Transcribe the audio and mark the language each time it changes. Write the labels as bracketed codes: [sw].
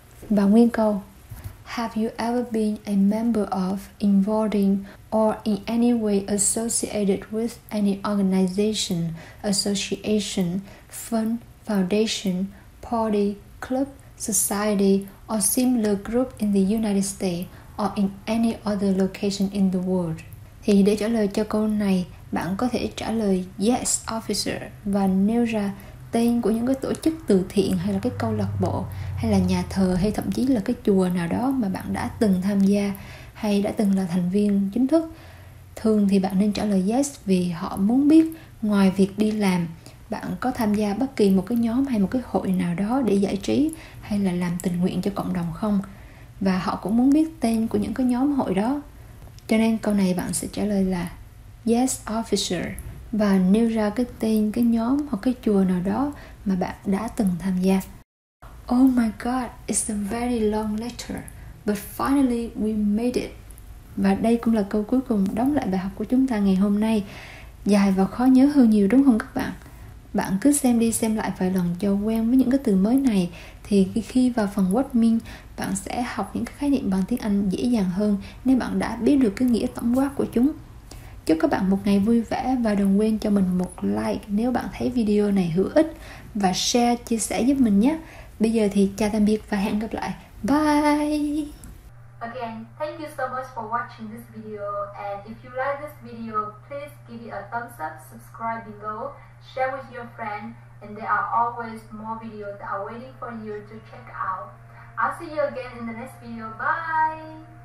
[vi] Và nguyên câu, [en] have you ever been a member of, involved in, or in any way associated with any organization, association, fund, foundation, party, club, society, or similar group in the United States or in any other location in the world? [vi] Thì để trả lời cho câu này, bạn có thể trả lời [en] yes officer [vi] và nêu ra tên của những cái tổ chức từ thiện hay là cái câu lạc bộ hay là nhà thờ hay thậm chí là cái chùa nào đó mà bạn đã từng tham gia hay đã từng là thành viên chính thức. Thường thì bạn nên trả lời yes vì họ muốn biết ngoài việc đi làm, bạn có tham gia bất kỳ một cái nhóm hay một cái hội nào đó để giải trí hay là làm tình nguyện cho cộng đồng không? Và họ cũng muốn biết tên của những cái nhóm hội đó. Cho nên câu này bạn sẽ trả lời là [en] yes officer [vi] và nêu ra cái tên, cái nhóm hoặc cái chùa nào đó mà bạn đã từng tham gia. [en] Oh my god, it's a very long letter, but finally we made it. [vi] Và đây cũng là câu cuối cùng đóng lại bài học của chúng ta ngày hôm nay. Dài và khó nhớ hơn nhiều đúng không các bạn? Bạn cứ xem đi xem lại vài lần cho quen với những cái từ mới này, thì khi vào phần what mean, bạn sẽ học những cái khái niệm bằng tiếng Anh dễ dàng hơn nếu bạn đã biết được cái nghĩa tổng quát của chúng. Chúc các bạn một ngày vui vẻ và đừng quên cho mình một like nếu bạn thấy video này hữu ích và share, chia sẻ giúp mình nhé. Bây giờ thì chào tạm biệt và hẹn gặp lại. [en] Bye! Again, thank you so much for watching this video, and if you like this video, please give it a thumbs up, subscribe below, share with your friend, and there are always more videos that are waiting for you to check out. I'll see you again in the next video. Bye!